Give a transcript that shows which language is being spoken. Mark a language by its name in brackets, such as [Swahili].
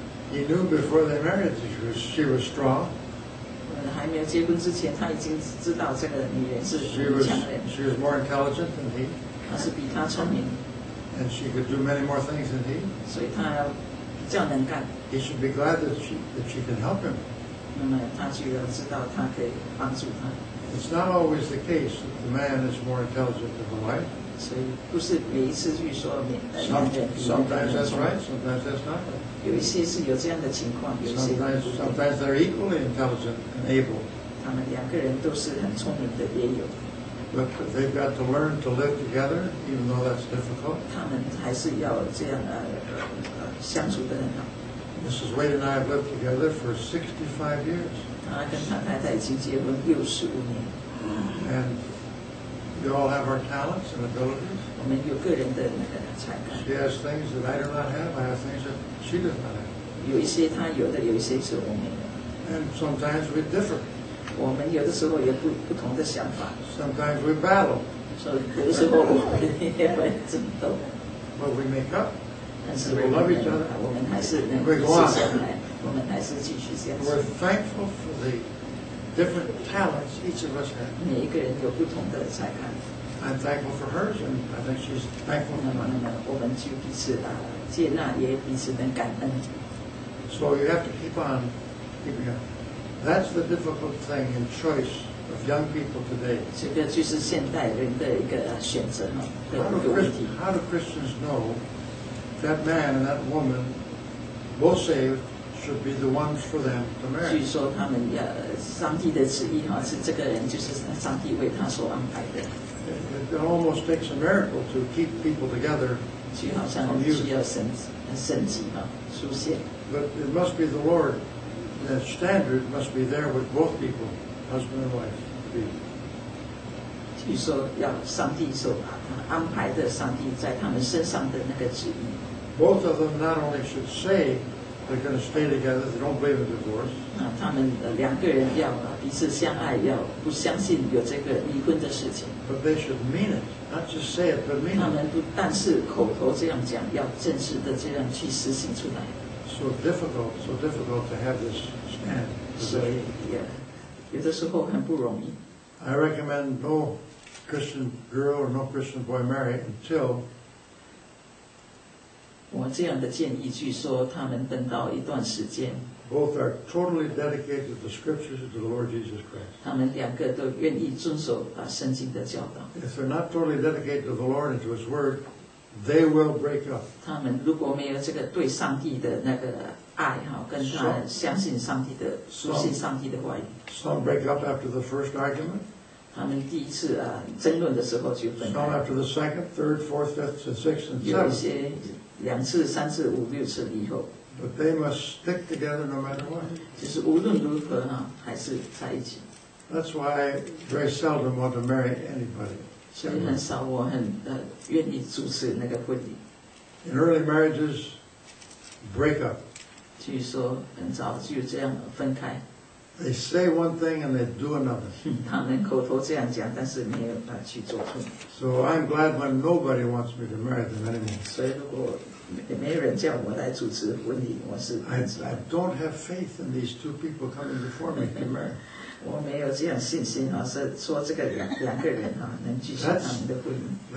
[English] He knew before they married she was strong. She was more intelligent than he. And she could do many more things than he. [Chinese] 较能干。 [English] He should be glad that she can help him. [Chinese] 那么他就要知道他可以帮助他。 [English] It's not always the case that the man is more intelligent than the wife. [Chinese] 所以不是每一次就说明。 [English] Sometimes that's right, sometimes that's not right. [Chinese] 有一些是有这样的情况，有些。 [English] Sometimes they're equally intelligent and able. [Chinese] 他们两个人都是很聪明的，也有。 [English] But they've got to learn to live together, even though that's difficult. [Chinese] 他们还是要这样相处得很好。 [English] Mrs. Wade and I have lived together for 65 years. [Chinese] 他跟他太太已经结婚65年。 [English] And We all have our talents and abilities. [Chinese] 我们有个人的那个才干。 [English] She has things that I do not have. I have things that she does not have. [Chinese] 有一些她有的，有一些是我没有。 [English] And sometimes we differ. [Chinese] 我们有的时候也不同的想法。 [English] Sometimes we battle. [Chinese] 所以有时候我们也会争斗。 [English] But we make up. [Chinese] 但是 [English] we love each other. [Chinese] 我们还是能继续下来。我们还是继续下去。 [English] We're thankful for the. Different talents each of us have. [Chinese] 每一个人有不同的才干。 [English] I'm thankful for hers, and I think she's thankful for mine. [Chinese] 我们就彼此啊接纳，也彼此能感恩。 [English] So you have to keep on keeping up. That's the difficult thing in choice of young people today. [Chinese] 这个就是现代人的一个选择啊，的问题。 [English] How do Christians know that man and that woman both saved? Should be the ones for them to marry. [Chinese] 据说他们要上帝的旨意哈，是这个人就是上帝为他所安排的。 [English] It almost takes a miracle to keep people together. [Chinese] 就好像需要神迹哈出现。 [English] But it must be the Lord. The standard must be there with both people, husband and wife. [Chinese] 据说要上帝所安排的，上帝在他们身上的那个旨意。 [English] Both of them not only should say. They're going to stay together. They don't believe in divorce. [Chinese] 他们两个人要彼此相爱，要不相信有这个离婚的事情。 [English] But they should mean it, not just say it, but mean it. [Chinese] 他们不但是口头这样讲，要正式的这样去实行出来。 [English] So difficult to have this stand. [Chinese] 所以，有的时候很不容易。 [English] I recommend no Christian girl or no Christian boy marry until. [Chinese] 我这样的建议，据说他们等到一段时间。 [English] Both are totally dedicated to the scriptures of the Lord Jesus Christ. [Chinese] 他们两个都愿意遵守啊圣经的教导。 [English] If they're not totally dedicated to the Lord and to His Word, they will break up. [Chinese] 他们如果没有这个对上帝的那个爱哈，跟他相信上帝的、相信上帝的话语。 [English] Some break up after the first argument. [Chinese] 他们第一次啊争论的时候就分开。 [English] Some after the second, third, fourth, fifth, and sixth and seventh. [Chinese] 有一些两次、三次、五六次以后。 [English] But they must stick together no matter what. [Chinese] 就是无论如何啊，还是在一起。 [English] That's why very seldom want to marry anybody. [Chinese] 所以很少我很愿意主持那个婚礼。 [English] In early marriages, break up. [Chinese] 据说很早就这样分开。 [English] They say one thing and they do another. [Chinese] 他们口头这样讲，但是没有办法去做出。 [English] So I'm glad when nobody wants me to marry them anymore. [Chinese] 所以如果没人叫我来主持婚礼，我是。 [English] I don't have faith in these two people coming before me to marry. [Chinese] 我没有这样信心啊，是说这个两个人啊，能举行他们的婚礼。